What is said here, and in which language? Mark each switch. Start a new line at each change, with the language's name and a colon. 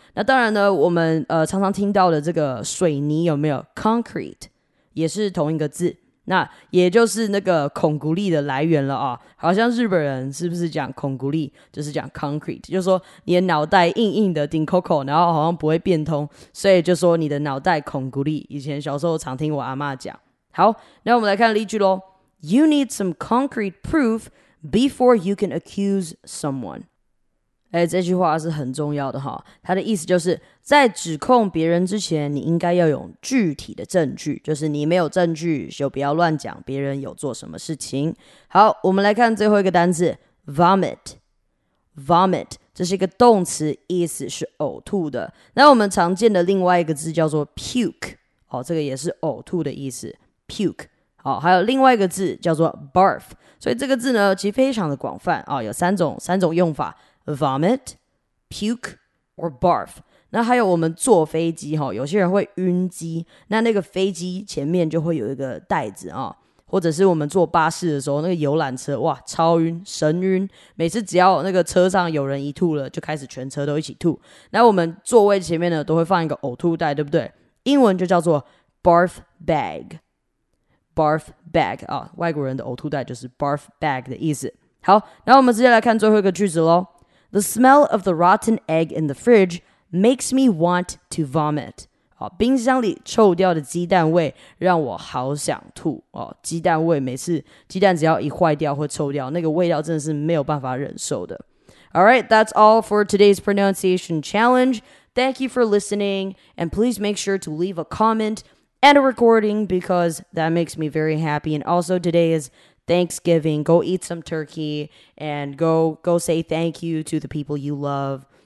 Chinese: 那当然呢，我们常常听到的这个水泥有没有 concrete 也是同一个字，那也就是那个孔骨力的来源了啊。好像日本人是不是讲孔骨力就是讲 concrete， 就是说你的脑袋硬硬的顶 coco， 然后好像不会变通，所以就说你的脑袋孔骨力。以前小时候常听我阿嬷讲。好，那我们来看例句咯。
English: You need some concrete proof before you can accuse someone。
Chinese: 哎，这句话是很重要的哈，它的意思就是在指控别人之前，你应该要有具体的证据，就是你没有证据就不要乱讲别人有做什么事情。好，我们来看最后一个单字 vomit。vomit 这是一个动词，意思是呕吐的。那我们常见的另外一个字叫做 puke， 哦，这个也是呕吐的意思 puke。好，还有另外一个字叫做 barf， 所以这个字呢其实非常的广泛哦，有三种用法，
English: vomit, puke, or barf.
Chinese: 那还有我们坐飞机哈，有些人会晕机，那个飞机前面就会有一个袋子啊，或者是我们坐巴士的时候，那个游览车哇，超晕，神晕，每次只要那个车上有人一吐了，就开始全车都一起吐。那我们座位前面呢，都会放一个呕吐袋，对不对？英文就叫做 barf bag, barf bag 啊，外国人的呕吐袋就是 barf bag 的意思。好，那我们直接来看最后一个句子咯。
English: The smell of the rotten egg in the fridge makes me want to vomit.
Chinese: 哦，冰箱里臭掉的鸡蛋味让我好想吐。哦，鸡蛋味，每次鸡蛋只要一坏掉或臭掉，那个味道真的是没有办法忍受的。
English: All right, that's all for today's pronunciation challenge. Thank you for listening, and please make sure to leave a comment and a recording because that makes me very happy. And also today is Thanksgiving. Go eat some turkey and go say thank you to the people you love.